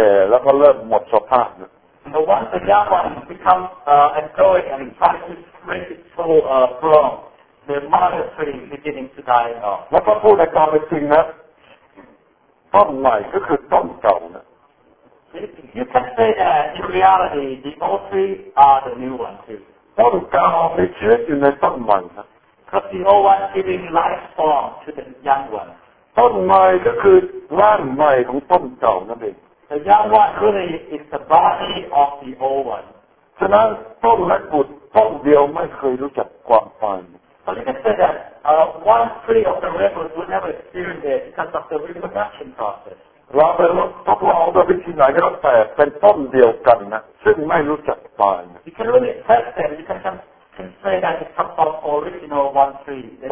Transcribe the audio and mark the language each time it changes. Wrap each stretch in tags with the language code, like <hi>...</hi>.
<th>แล้วเมื่อต้นลูกโตเต็มที่ต้นแม่จะเริ่มเฒ่าเริ่มแก่แล้วก็เริ่มหมดสภาพ</th> <en>So once the young one becomes and grows and tries to break its full form, the mother tree beginning to die off.</en> <th>แล้วก็พูดในความเป็นจริงนะต้นใหม่ก็คือต้นเก่านะ</th> <en>You can say that in reality, the old tree are the new one too.</en> <th>ต้นเก่ามีชีวิตอยู่ในต้นใหม่นะ</th> <en>Because the old one giving life form to the young one.</en> <th>ต้นใหม่ก็คือร่างใหม่ของต้นเก่านั่นเอง</th> <en>The young one really is the body of the old one.</en> <th>ฉะนั้นต้นเล็กบุตรต้นเดียวไม่เคยรู้จักความตาย</th> <en>So you can say that one tree of the redwood would never experience it because of the reproduction process.</en> <th>เราไปทดลองกับวิธีไหนก็แต่เป็นต้นเดียวกันนะซึ่งไม่รู้จักตาย</th> <en>You can really test them. You can say that it comes from original one tree.</en>